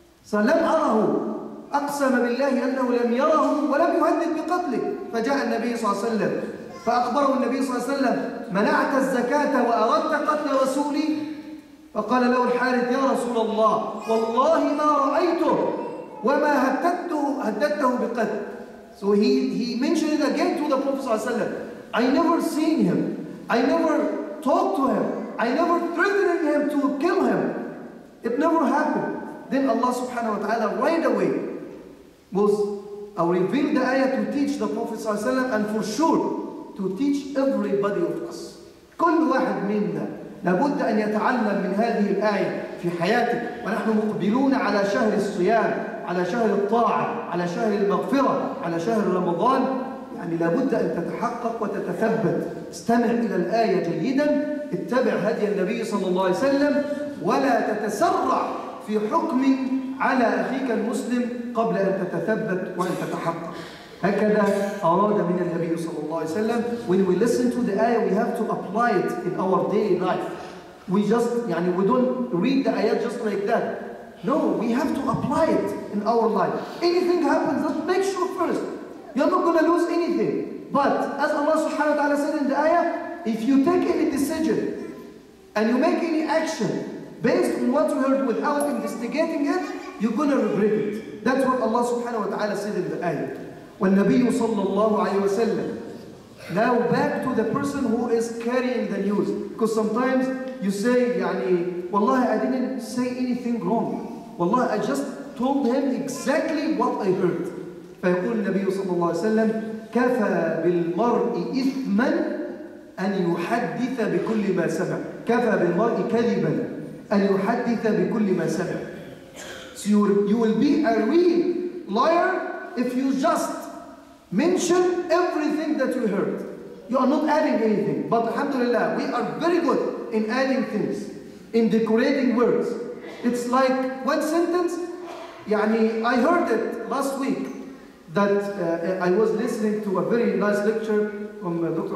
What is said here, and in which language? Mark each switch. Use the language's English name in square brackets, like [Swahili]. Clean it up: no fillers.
[Arabic] فلم أره أقسم بالله أنه لم يره ولم يهدد بقتله فجاء النبي صلى الله عليه وسلم فأخبره النبي صلى الله عليه وسلم منعت الزكاة وأردت قتل رسولي فقال له الحارث يا رسول الله والله ما رأيته وما هددته بقتل [English] So he mentioned it again to the Prophet صلى الله عليه وسلم I never seen him I never talked to him I never threatened him to kill him It never happened Then Allah subhanahu wa ta'ala right away was revealed the ayah to teach the Prophet sallallahu alayhi wa sallam and for sure to teach everybody of us. [Arabic] كل واحد منا لابد أن يتعلم من هذه الآية في حياته ونحن مقبلون على شهر الصيام على شهر الطاعة على شهر المغفرة على شهر رمضان يعني لابد أن تتحقق وتتثبت استمع إلى الآية جيدا اتبع هدي النبي صلى الله عليه وسلم ولا تتسرع في حكم على أخيك المسلم قبل أن تتثبت وأن تتحقق هكذا أراد من النبي صلى الله عليه وسلم [English] When we listen to the ayah, we have to apply it in our daily life. We just, يعني, we don't read the ayah just like that. No, we have to apply it in our life. Anything happens, just make sure first. You're not going to lose anything. But as Allah subhanahu wa ta'ala said in the ayah, if you take any decision and you make any action, Based on what you heard without investigating it, you're gonna regret it. That's what Allah subhanahu wa ta'ala said in the ayah. [Arabic] وَالنَّبِيُّ صَلَّى اللَّهُ عَلَيْهِ وَسَلَّمُ [English] Now back to the person who is carrying the news. Because sometimes you say, يعني, Wallahi, I didn't say anything wrong. Wallahi, I just told him exactly what I heard. [Arabic] فيقول النبي صلى الله عليه وسلم, كَفَى بِالْمَرْءِ إِثْمًا أَنْ يُحَدِّثَ بِكُلِّ مَا سَمَعَ كَفَى بِالْمَرْءِ كَذِبًا أن يحدث بكل ما سمع [English] So you will be a real liar if you just mention everything that you heard. You are not adding anything. But alhamdulillah, we are very good in adding things, in decorating words. It's like one sentence. يعني, I heard it last week that I was listening to a very nice lecture from Dr.